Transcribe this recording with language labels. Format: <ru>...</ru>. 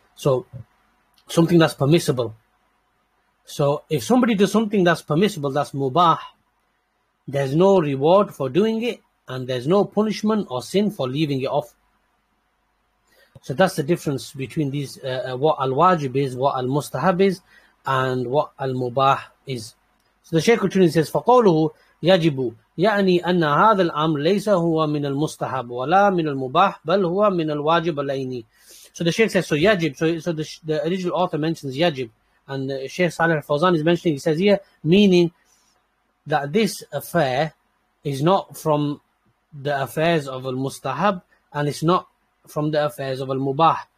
<en>So, something that's permissible. So, if somebody does something that's permissible, that's mubah, there's no reward for doing it, and there's no punishment or sin for leaving it off. So that's the difference between these, what al-wajib is, what al-mustahab is, and what al-mubah is. So the Shaykh Al-Tunis says,</en> <ar>فَقَوْلُهُ يَجِبُ يَعْنِي أَنَّ هَذَا الْأَمْرِ لَيْسَ هُوَ مِنَ الْمُسْتَحَبُ وَلَا مِنَ الْمُبَاحِ بَلْ هُوَ مِنَ الْوَاجِبَ الْأَيْنِ.</ar> <en>So the Shaykh says, so yajib, so the original author mentions yajib, and Shaykh Saleh Al Fawzan is mentioning, he says here, meaning that this affair is not from the affairs of al-mustahab, and it's not from the affairs of al-mubah.</en>